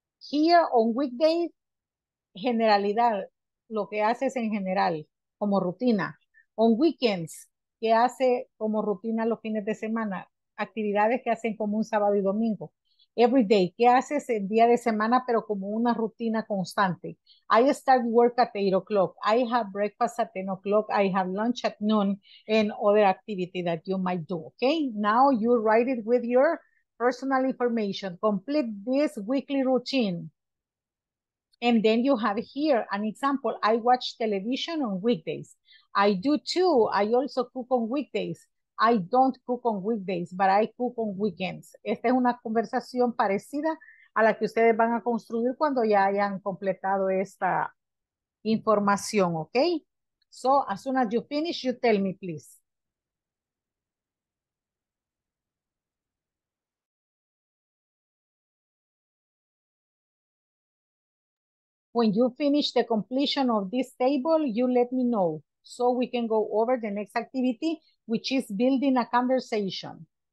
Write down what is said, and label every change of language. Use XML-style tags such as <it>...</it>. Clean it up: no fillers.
<en>Here on weekdays,</en> <es>generalidad, lo que haces en general, como rutina.</es> <en>On weekends,</en> <es>¿qué hace como rutina los fines de semana? Actividades que hacen como un sábado y domingo.</es> <en>Every day,</en> <es>¿qué haces el día de semana, pero como una rutina constante?</es> <en>I start work at 8 o'clock. I have breakfast at 10 o'clock. I have lunch at noon and other activity that you might do, okay? Now you write it with your personal information. Complete this weekly routine. And then you have here an example. I watch television on weekdays. I do too. I also cook on weekdays. I don't cook on weekdays, but I cook on weekends.</en> <es>Esta es una conversación parecida a la que ustedes van a construir cuando ya hayan completado esta información, ¿ok?</es> <en>So, as soon as you finish, you tell me, please. When you finish the completion of this table, you let me know, so we can go over the next activity, which is building a conversation.</en>